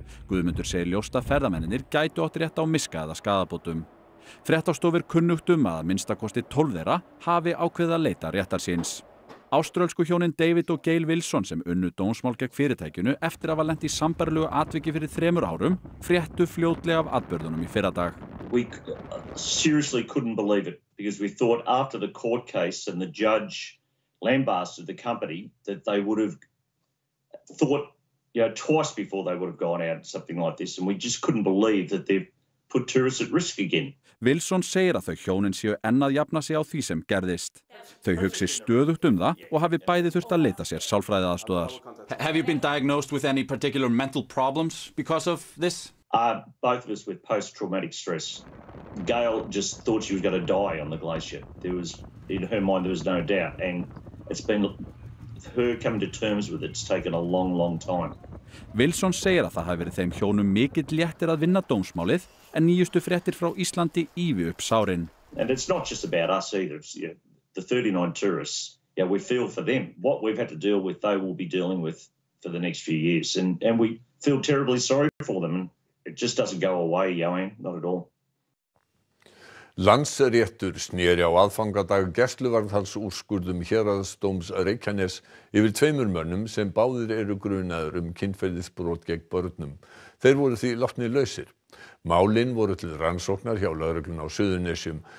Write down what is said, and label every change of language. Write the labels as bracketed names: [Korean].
[Icelandic] Guðmundur segir ljóst að ferðamennirnir gætu átt rétt á miska eða skaðabótum. Fréttastofur kunnugt að minnsta kosti 12 þeirra hafi ákveðið að leita réttar síns. Áströlsku hjónin David og Gail Wilson sem unnu dómsmál gegn fyrirtækinu eftir að hafa lent í sambærilegu atviki fyrir 3 árum fréttu fljótlega af atburðunum í fyrradag. [English] We seriously couldn't believe it because we thought after the court case and the judge lambasted the company that they would have thought twice before they would have gone out something like this and we just couldn't believe that they've put tourists at risk again. [Icelandic] Wilson segir að þau hjónin séu enn að jafna sig á því sem gerðist. Þau hugsi stöðugt það og hafi bæði þurft að leita sér sálfræðiaðstoðar. [English] Have you been diagnosed with any particular mental problems because of this? Both of us with post-traumatic stress. Gail just thought she was going to die on the glacier. There was, in her mind, there was no doubt. And it's been her coming to terms with it. It's taken a long, long time. [Icelandic] Wilson segir að það hafi verið þeim hjónum mikill léttir að vinna dómsmálið en nýjustu fréttir frá Íslandi ýfi upp sárin. [English] And it's not just about us either. The 39 tourists, we feel for them. What we've had to deal with, they will be dealing with for the next few years. And we feel terribly sorry for them. It just doesn't go away, not at all. [Icelandic] Landsréttur sneri á aðfangadag gæsluvarðhaldsúrskurðum héraðsdóms Reykjaness yfir 2 mönnum sem báðir eru grunaður kynferðisbrot gegn börnum. Þeir voru því látnir lausir. Málin voru til rannsóknar hjá lögreglunni á Suðurnesjum.